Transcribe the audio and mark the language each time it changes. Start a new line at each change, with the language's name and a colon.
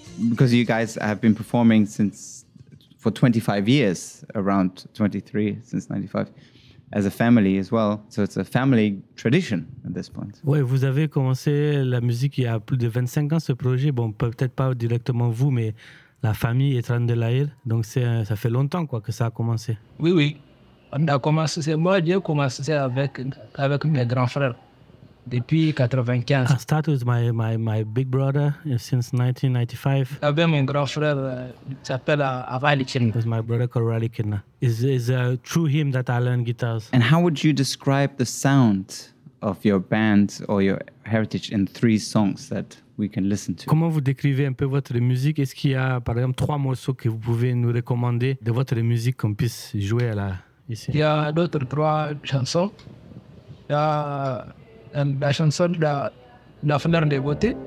English: because you guys have been performing since for 25 years, around 23, since 95, as a family as well. So it's a family tradition at this point.
French: Oui, vous avez commencé la musique il y a plus de 25 ans, ce projet. Bon, peut-être pas directement vous, mais la famille est en de l'air. Donc c'est, ça fait longtemps quoi, que ça a commencé. Oui, oui. On a commencé, c'est moi, j'ai commencé avec mes grands frères depuis 1995.
English: I started with my big brother since 1995.
French: J'avais mon grand frère, il s'appelle Avalikin.
English: It was my brother called Avalikin. It's through him that I learned guitars. And how would you describe the sound of your band or your heritage in three songs that we can listen to?
French: Comment vous décrivez un peu votre musique? Est-ce qu'il y a, par exemple, trois morceaux que vous pouvez nous recommander de votre musique qu'on puisse jouer à la... Il y a d'autres trois chansons. Il y a la chanson de la fleur de beauté.